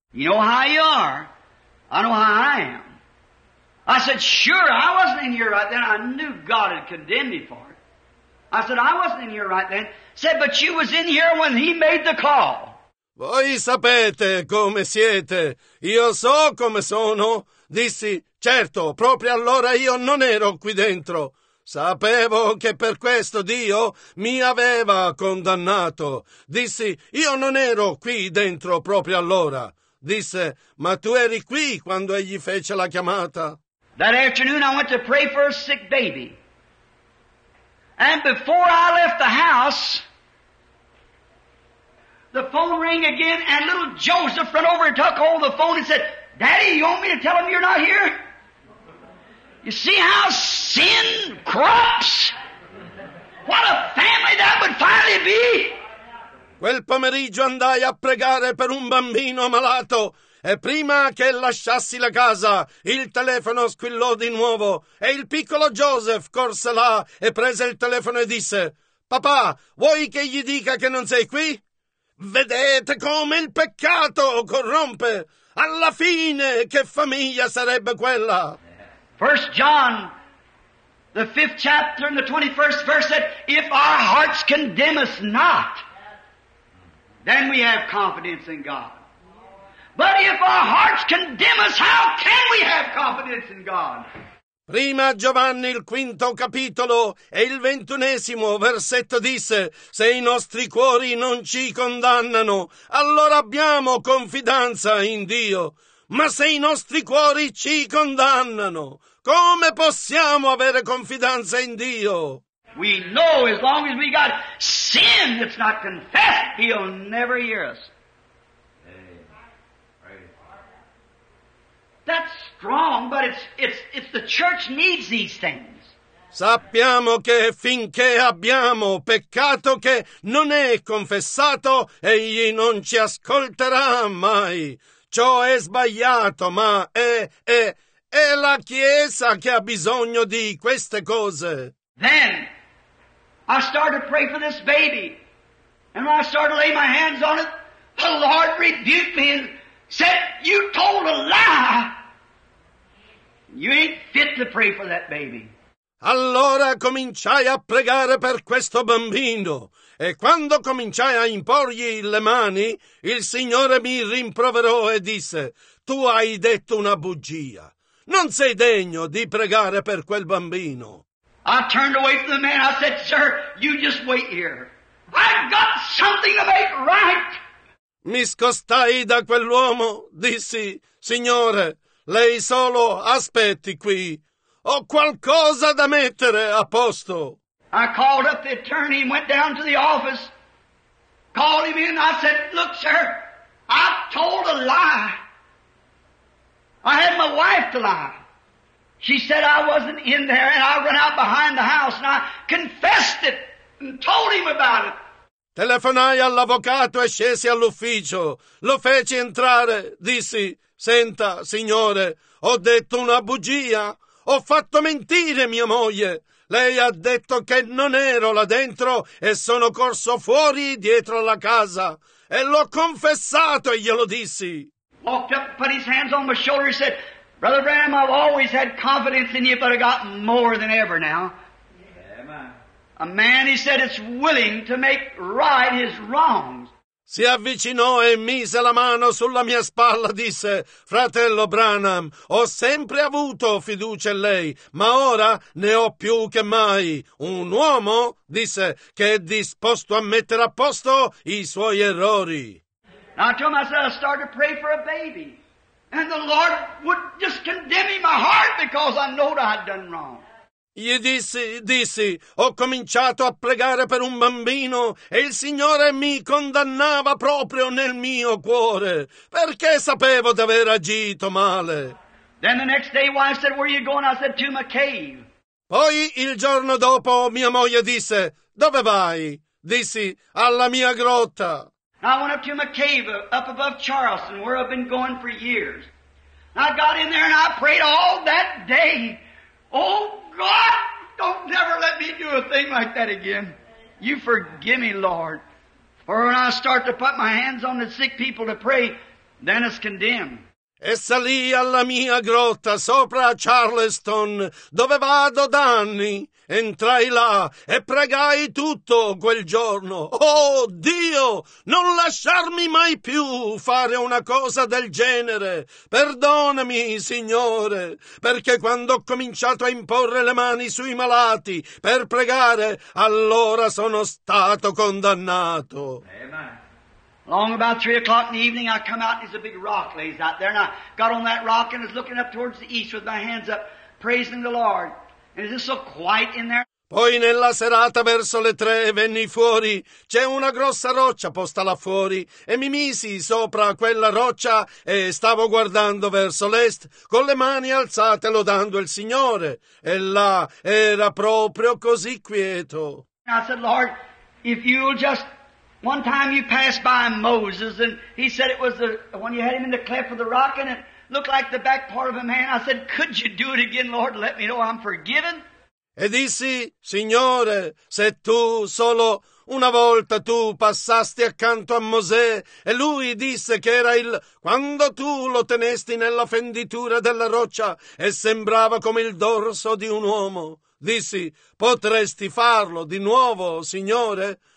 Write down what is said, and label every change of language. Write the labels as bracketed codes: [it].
[en] You know how you are. I know how I am. I said, sure, I wasn't in here right then. I knew God had condemned me for it. I said, I wasn't in here right then. Said, but you was in here when he made the call. [it] Voi sapete come siete, io so come sono. Dissi, certo, proprio allora io non ero qui dentro. Sapevo che per questo Dio mi aveva condannato. Dissi, io non ero qui dentro proprio allora. Disse, ma tu eri qui quando egli fece la chiamata. [en] That afternoon I went to pray for a sick baby. And before I left the house, the phone rang again, and little Joseph ran over and took hold of the phone and said, Daddy, you want me to tell him you're not here? You see how sin corrupts? What a family that would finally be! [it] Quel pomeriggio andai a pregare per un bambino malato, e prima che lasciassi la casa, il telefono squillò di nuovo, e il piccolo Joseph corse là e prese il telefono e disse, Papà, vuoi che gli dica che non sei qui? Vedete come il peccato corrompe. Alla fine, che famiglia sarebbe quella? [en] First John, the 5th chapter and the 21st verse said, If our hearts condemn us not, then we have confidence in God. But if our hearts condemn us, how can we have confidence in God? [it] Prima Giovanni il 5 capitolo e il 21 versetto disse, se i nostri cuori non ci condannano, allora abbiamo confidenza in Dio. Ma se i nostri cuori ci condannano, come possiamo avere confidenza in Dio? [en] We know as long as we got sin that's not confessed, He'll never hear us. That's strong, but it's the church needs these things. [it] Sappiamo che finché abbiamo peccato che non è confessato, egli non ci ascolterà mai. Ciò è sbagliato, ma è la Chiesa che ha bisogno di queste cose. [en] Then I started to pray for this baby, and when I started to lay my hands on it, the Lord rebuked me and said, "You told a lie. You ain't fit to pray for that baby." [it] Allora cominciai a pregare per questo bambino. E quando cominciai a imporgli le mani, il Signore mi rimproverò e disse, Tu hai detto una bugia. Non sei degno di pregare per quel bambino. [en] I turned away from the man. I said, Sir, you just wait here. I've got something to make right. [it] Mi scostai da quell'uomo. Dissi, Signore, Lei solo aspetti qui. Ho qualcosa da mettere a posto. [en] I called up the attorney and went down to the office. Called him in. I said, Look, sir, I've told a lie. I had my wife to lie. She said I wasn't in there and I ran out behind the house and I confessed it and told him about it. [it] Telefonai all'avvocato e scesi all'ufficio. Lo feci entrare. Dissi, Senta, signore, ho detto una bugia. Ho fatto mentire mia moglie. Lei ha detto che non ero là dentro e sono corso fuori dietro alla casa. E l'ho confessato e glielo dissi. [en] Walked up, put his hands on my shoulder and said, Brother Branham, I've always had confidence in you, but I got more than ever now. A man, he said, is willing to make right his wrongs. [it] Si avvicinò e mise la mano sulla mia spalla, disse, Fratello Branham, ho sempre avuto fiducia in lei, ma ora ne ho più che mai. Un uomo, disse, che è disposto a mettere a posto i suoi errori. [en] Now I told myself I started to pray for a baby, and the Lord would just condemn me in my heart because I know that I'd done wrong. [it] Gli dissi, ho cominciato a pregare per un bambino e il Signore mi condannava proprio nel mio cuore, perché sapevo di aver agito male. [en] Then the next day, wife said, Where are you going? I said, To my cave. [it] Poi il giorno dopo mia moglie disse, Dove vai? dissi, alla mia grotta. [en] And I went up to my cave up above Charleston, where I've been going for years. And I got in there and I prayed all that day. Oh, God, don't never let me do a thing like that again. You forgive me, Lord. For when I start to put my hands on the sick people to pray, then it's condemned. [it] E salì alla mia grotta sopra Charleston, dove vado da anni. Entrai là e pregai tutto quel giorno. Oh Dio, non lasciarmi mai più fare una cosa del genere. Perdonami, Signore, perché quando ho cominciato a imporre le mani sui malati per pregare, allora sono stato condannato. Amen. [en] Along about 3 o'clock in the evening, I come out and there's a big rock lays out there, and I got on that rock and was looking up towards the east with my hands up, praising the Lord. And it's just so quiet in there. [it] Poi nella serata verso le 3 venni fuori, c'è una grossa roccia posta là fuori, e mi misi sopra quella roccia e stavo guardando verso l'est con le mani alzate lodando il Signore. E là era proprio così quieto. [en] And I said, Lord, if you'll just... One time you passed by Moses, and he said it was the when you had him in the cleft of the rock, and it looked like the back part of a man. I said, could you do it again, Lord? Let me know I'm forgiven. [it] E dissi, Signore, se tu solo una volta tu passasti accanto a Mosè, e lui disse che era il... Quando tu lo tenesti nella fenditura della roccia, e sembrava come il dorso di un uomo, dissi, potresti farlo di nuovo, Signore?